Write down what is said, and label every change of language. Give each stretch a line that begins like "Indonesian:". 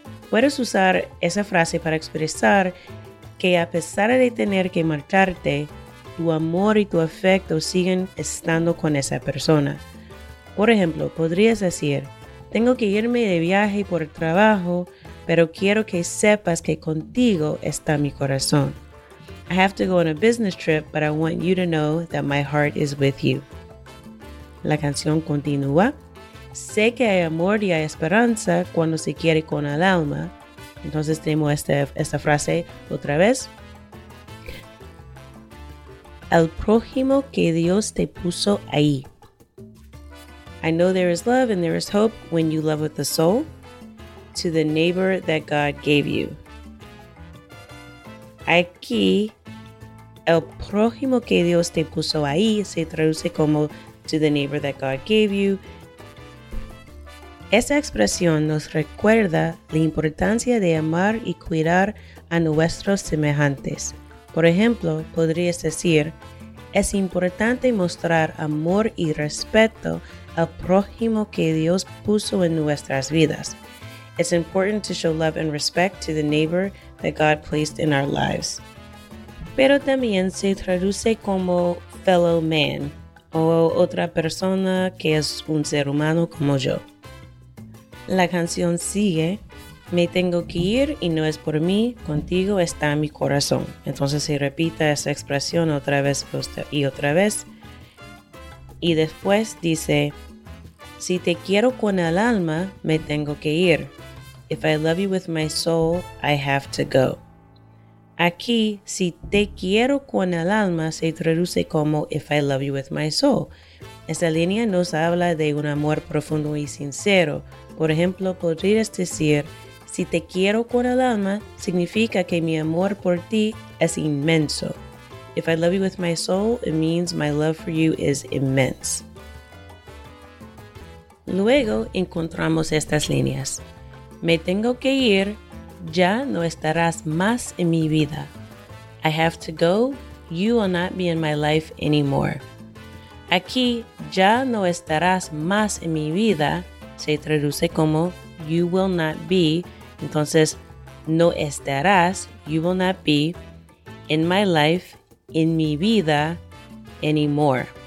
Spanish: Puedes usar esa frase para expresar que a pesar de tener que marcharte, tu amor y tu afecto siguen estando con esa persona. Por ejemplo, podrías decir, tengo que irme de viaje por el trabajo, pero quiero que sepas que contigo está mi corazón.
English: I have to go on a business trip, but I want you to know that my heart is with you.
Spanish: La canción continúa. Sé que hay amor y hay esperanza cuando se quiere con el alma. Entonces tenemos esta frase otra vez. El prójimo que Dios te puso ahí.
English: I know there is love and there is hope when you love with the soul. To the neighbor that God gave you.
Spanish: Aquí, el prójimo que Dios te puso ahí se traduce como
English: to the neighbor that God gave you.
Spanish: Esta expresión nos recuerda la importancia de amar y cuidar a nuestros semejantes. Por ejemplo, podrías decir, es importante mostrar amor y respeto al prójimo que Dios puso en nuestras vidas.
English: It's important to show love and respect to the neighbor that God placed in our lives.
Spanish: Pero también se traduce como
English: fellow man
Spanish: o otra persona que es un ser humano como yo. La canción sigue. Me tengo que ir y no es por mí, contigo está mi corazón. Entonces se repite esa expresión otra vez y otra vez. Y después dice, si te quiero con el alma, me tengo que ir.
English: If I love you with my soul, I have to go.
Spanish: Aquí, si te quiero con el alma, se traduce como
English: if I love you with my soul.
Spanish: Esta línea nos habla de un amor profundo y sincero. Por ejemplo, podrías decir, si te quiero con el alma, significa que mi amor por ti es inmenso.
English: If I love you with my soul, it means my love for you is immense.
Spanish: Luego, encontramos estas líneas. Me tengo que ir, ya no estarás más en mi vida.
English: I have to go, you will not be in my life anymore.
Spanish: Aquí, ya no estarás más en mi vida, se traduce como
English: you will not be,
Spanish: entonces no estarás,
English: you will not be, in my life,
Spanish: in mi vida,
English: anymore.